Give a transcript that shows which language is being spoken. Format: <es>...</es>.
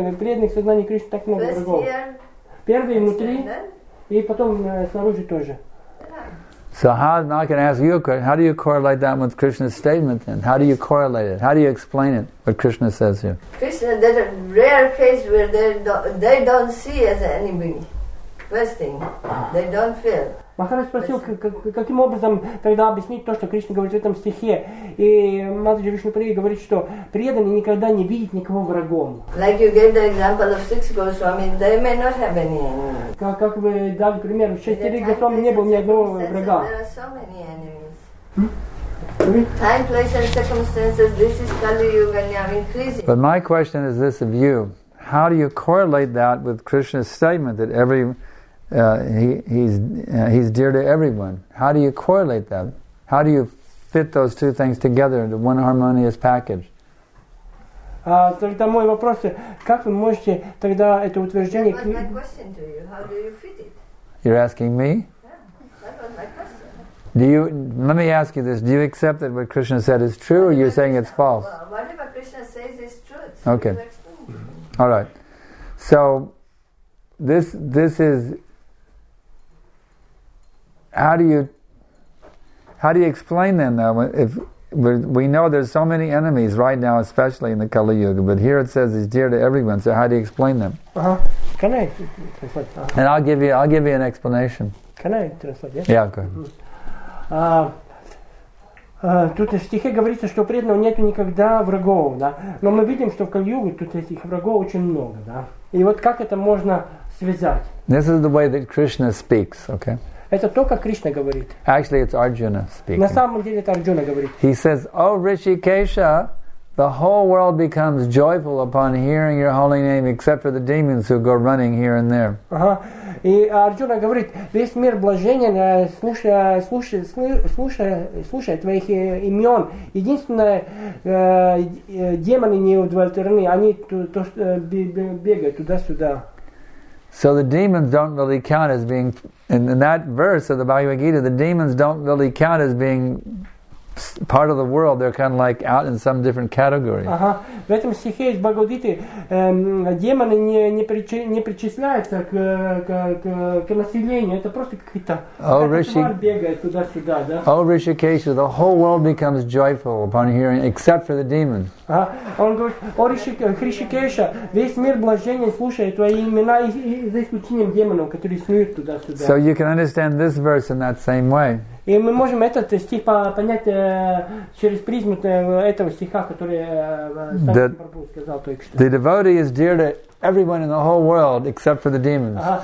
<ru>преданных сознаний Кришны так много врагов. Первые внутри. И потом снаружи тоже.</ru> <en>So how, now I can ask you a question. How do you correlate that with Krishna's statement then? How do you correlate it? How do you explain it, what Krishna says here? Krishna, there's a rare case where they don't see as an enemy. First thing, they don't feel.</en> <ru>Махарадж спросил, каким образом тогда объяснить то, что Кришна говорит в этом стихе. И Матаджи Вишну Прия говорит, что преданный никогда не видит никого врагом.</ru> <en>Like you gave the example of six Goswami, they may not have any enemies.</en> <ru>Как вы дали пример, в шестерых Goswami не было ни одного врага.</ru> <en>There are so many enemies. Time, place and circumstances, this is Kali Yuga, and I'm increasing. But my question is this of you. How do you correlate that with Krishna's statement that every... He's dear to everyone. How do you correlate that? How do you fit those two things together into one harmonious package?</en> <ru>Тогда мой вопрос: как вы можете тогда это утверждение?</ru> <en>That was my question to you. How do you fit it? You're asking me? Yeah, that was my question. Let me ask you this: do you accept that what Krishna said is true, or you're saying it's false? Well, whatever Krishna says is true. So okay. All right. So this is. How do you explain then though, if we know there's so many enemies right now, especially in the Kali Yuga, but here it says he's dear to everyone, so how do you explain them? Uh-huh. Can I translate? Uh-huh. And I'll give you an explanation. Can I translate? Yes. Yeah, go ahead. Mm-hmm.</en> <ru>Тут в стихе говорится, что у преданного нету никогда врагов, да. Но мы видим, что в Кали-Юге тут этих врагов очень много, да. И вот как это можно связать?</ru> <en>This is the way that Krishna speaks, okay?</en> <ru>Это то, как Кришна говорит.</ru> <en>Actually, it's Arjuna speaking.</en> <ru>На самом деле это Арджуна говорит.</ru> <en>He says, "O Rishikesha, the whole world becomes joyful upon hearing your holy name, except for the demons who go running here and there."</en> <ru>И Арджуна говорит, весь мир блаженен, слушая твоих имен. Единственное, демоны не удовлетворены, они бегают туда-сюда.</ru> <en>So the demons don't really count as being, in that verse of the Bhagavad Gita, the demons don't really count as being part of the world. They're kind of like out in some different category.</en> <ru>В этом стихе из Бхагавад Гиты демоны не причисляются к населению. Это просто какая-то бегает туда-сюда, да?</ru> <en>Oh, Rishikesha, the whole world becomes joyful upon hearing, except for the demon.</en> <ru>Он говорит, о Ришикеша, весь мир блаженен, слушая твои имена, за исключением демонов, которые снуют туда-сюда.</ru> <en>So you can understand this verse in that same way.</en> <ru>И мы можем этот стих понять через призму этого стиха, который сам Прабху сказал только что.</ru> <en>The devotee is dear to everyone in the whole world, except for the demons.</en>